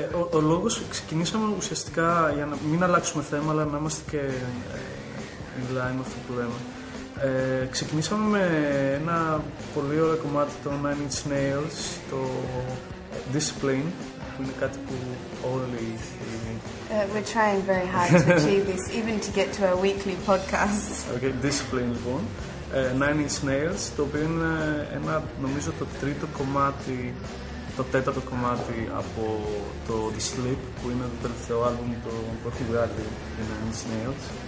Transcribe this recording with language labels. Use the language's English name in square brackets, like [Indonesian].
[Greek] Ο λόγος ξεκινήσαμε ουσιαστικά για να μην αλλάξουμε θέμα αλλά να είμαστε και in line με αυτό που λέμε. Ξεκινήσαμε με ένα πολύ ωραίο κομμάτι των Nine Inch Nails, το Discipline, που είναι κάτι που όλοι θέλουν. [English] We're trying very hard to achieve this, even to get to our weekly podcast. [Greek] Okay, Discipline λοιπόν. Nine Inch Nails, το οποίο είναι ένα, νομίζω, το τρίτο κομμάτι, το τέταρτο κομμάτι από το The Sleep, που είναι το τελευταίο άλμπουμ που έχουν βγάλει οι Nine Inch Nails.